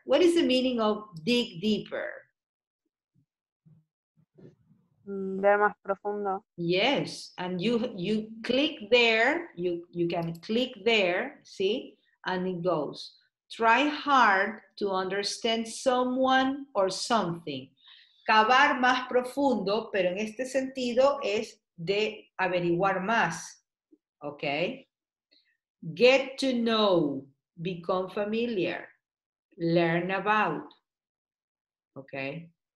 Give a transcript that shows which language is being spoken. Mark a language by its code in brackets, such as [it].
[en] What is the meaning of dig deeper? [es] Ver más profundo. [en] Yes, and you click there, you can click there, see, and it goes. Try hard to understand someone or something. [es] Cavar más profundo, pero en este sentido es de averiguar más, okay? [en] Get to know, become familiar, learn about, okay?